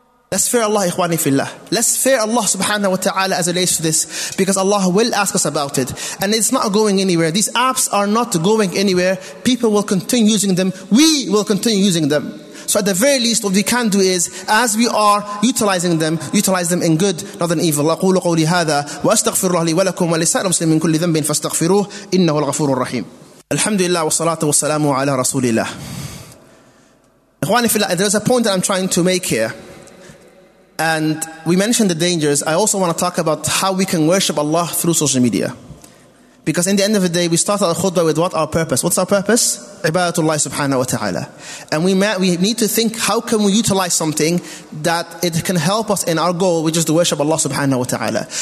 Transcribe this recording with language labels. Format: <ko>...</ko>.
<en>Let's fear Allah,</en> <ar>ikhwani fillah.</ar> <en>Let's fear Allah subhanahu wa ta'ala as it relates to this, because Allah will ask us about it. And it's not going anywhere. These apps are not going anywhere. People will continue using them. We will continue using them. So at the very least, what we can do is, as we are utilizing them, utilize them in good, not in evil.</en> <ar>أقول قولي هذا وأستغفر الله لي ولكم ولسائر المسلمين من كل ذنب فاستغفروه إنه الغفور الرحيم. الحمد لله والصلاة والسلام على رسول الله. إخواني في الله,</ar> <en>there's a point that I'm trying to make here, and we mentioned the dangers. I also want to talk about how we can worship Allah through social media, because in the end of the day, we start our khutbah with what our purpose. What's our purpose? Ibadatullah subhanahu wa ta'ala. And we need to think, how can we utilize something that it can help us in our goal, which is to worship Allah subhanahu wa ta'ala.</en>